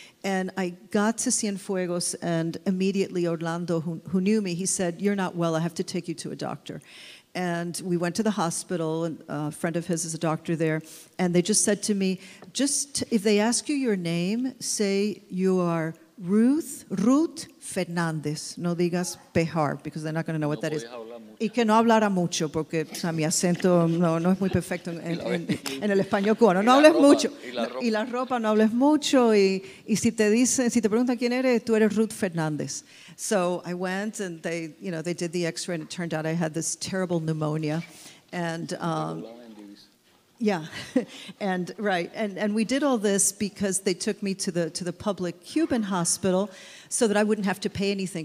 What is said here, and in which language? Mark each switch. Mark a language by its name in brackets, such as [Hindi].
[English] And I got to Cienfuegos, and immediately Orlando, who knew me, he said, you're not well. I have to take you to a doctor. And we went to the hospital, and a friend of his is a doctor there, and they just said to me, if they ask you your name, say you are Ruth Fernandez. [Spanish] No digas [English] Behar, because they're not going to know what no that is. [Spanish] Mucho. Y que no hablara mucho, porque o sea, mi acento no es muy perfecto en el español cubano. No hables ropa, mucho. Y la ropa, no hables mucho. Y si te dicen, si te preguntan quién eres, tú eres Ruth Fernandez. [English] So I went, and they did the x-ray, and it turned out I had this terrible pneumonia. And Yeah, and right, and we did all this because they took me to the public Cuban hospital, so that I wouldn't have to pay anything.